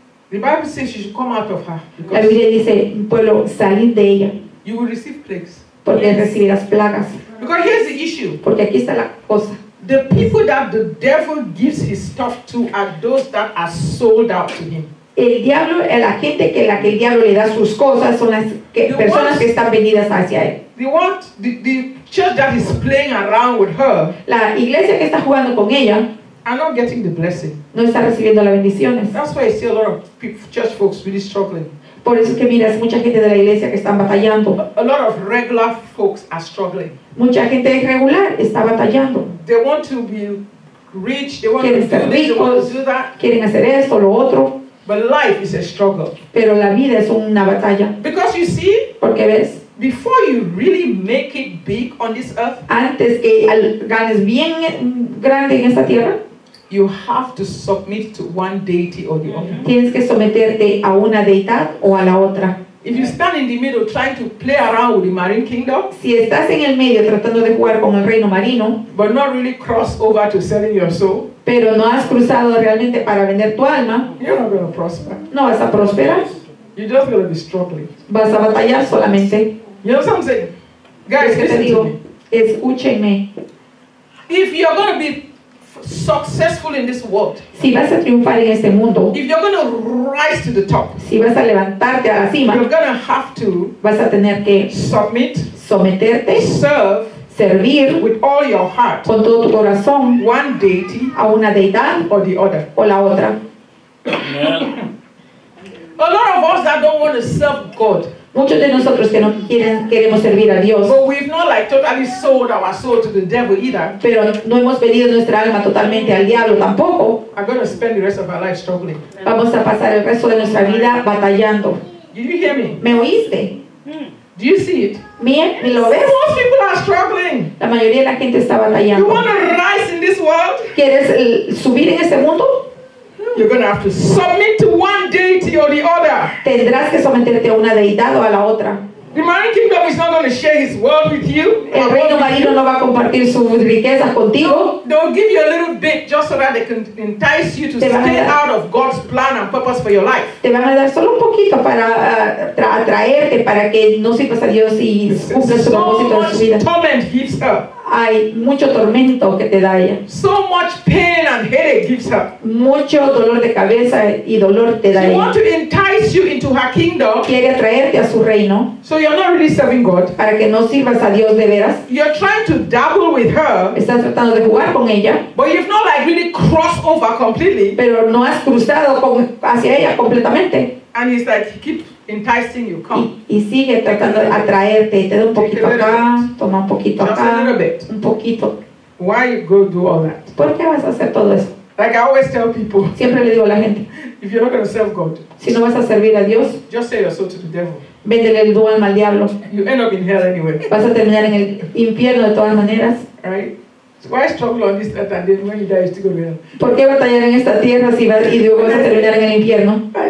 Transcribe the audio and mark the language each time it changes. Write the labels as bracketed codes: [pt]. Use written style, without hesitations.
[en] the Bible says you should come out of her. [es] La Biblia dice, pueblo, salir de ella. [en] You will receive plagues. [es] Porque [en] yes. [es] recibirás plagas. [en] Because here's the issue. [es] Porque aquí está la cosa. [en] The people that the devil gives his stuff to are those that are sold out to him. [es] El diablo, la gente que la que el diablo le da sus cosas son las que, personas [en] ones, [es] que están vendidas hacia él. [en] The one, the church that is playing around with her. [es] La iglesia que está jugando con ella. [en] Are not getting the blessing. [es] No está recibiendo las bendiciones. [en] That's why I see a lot of people, church folks really struggling. [es] Por eso que miras mucha gente de la iglesia que están batallando. [en] A lot of regular folks are struggling. [es] Mucha gente regular está batallando. [en] They want to be rich. They want, to, [es] ser ricos, [en] this, they want to do that. [es] Quieren hacer esto, lo otro. [en] But life is a struggle. [es] Pero la vida es una batalla. [en] Because you see. [es] Porque ves. [en] Before you really make it big on this earth. [es] Antes que ganes bien grande en esta tierra. [en] You have to submit to one deity or the other. [es] Tienes que someterte a una deidad o a la otra. [en] If you stand in the middle trying to play around with the marine kingdom. [es] Si estás en el medio tratando de jugar con el reino marino. [en] But not really cross over to selling your soul. [es] Pero no has cruzado realmente para vender tu alma. [en] You're not going to prosper. [es] No vas a prosperar. [en] You're just going to be struggling. [es] Vas a batallar solamente. [en] You know what I'm saying? Guys, listen [es] digo, [en] to me. [es] Escúcheme. [en] If you're going to be successful in this world. [es] Si vas a triunfar en este mundo. [en] If you're going to rise to the top. [es] Si vas a levantarte a la cima. [en] You're going to have to. [es] Vas a tener que [en] submit. [es] Someterte. [en] Serve. [es] Servir. [en] With all your heart. [es] Con todo tu corazón. [en] One deity. [es] A una deidad. [en] Or the other. [es] O la otra. [en] A lot of us that don't want to serve God. [es] Muchos de nosotros que no quieren, queremos servir a Dios. [en] But we've not like totally sold our soul to the devil either. [es] Pero no hemos vendido nuestra alma totalmente al diablo tampoco. [en] I'm going to spend the rest of our life struggling. [es] Vamos a pasar el resto de nuestra vida batallando. [en] Did you hear me? [es] ¿Me oíste? [en] Do you see it? [es] ¿Me lo ves? [en] Most people are struggling. [es] La mayoría de la gente está batallando. [en] You want to rise in this world? [es] ¿Quieres subir en este mundo? [en] You're going to have to submit to one deity or the other. [es] Tendrás que someterte a una deidad o a la otra. [en] The marine kingdom is not going to share his wealth with you. [es] El reino marino no va a compartir sus riquezas contigo. [en] They'll give you a little bit just so that they can entice you to stay out of God's plan and purpose for your life. [es] Te van a dar solo un poquito para atraerte para que no sirvas a Dios y cumpla su propósito en su vida. [en] So much torment heaps up. [es] Hay mucho tormento que te da ella. [en] So much pain and headache gives her. [es] Mucho dolor de cabeza y dolor te da [en] she [es] ella. [en] She wants to entice you into her kingdom. [es] Quiere atraerte a su reino. [en] So you're not really serving God. [es] Para que no sirvas a Dios de veras. [en] You're trying to dabble with her. [es] Estás tratando de jugar con ella. [en] But you've not like really crossed over completely. [es] Pero no has cruzado con, hacia ella completamente. [en] And he's like, keep enticing you, come. [es] Y sigue tratando de atraerte, te da un poquito acá, toma un poquito [en] just [es] acá, [en] a little bit. [es] Un poquito. [en] Why you go do all that? [es] ¿Por qué vas a hacer todo eso? [en] Like I always tell people. [es] Siempre le digo a la gente. [en] If you're not going to serve God. [es] Si no vas a servir a Dios. [en] Just sell your soul to the devil. [es] Véndele el dual al diablo. [en] You end up in hell anyway. [es] Vas a terminar en el infierno de todas maneras. [en] Right? So why struggle on this earth and then when you die you still go to hell? [es] ¿Por qué batallar en esta tierra si vas y luego vas a terminar en el infierno?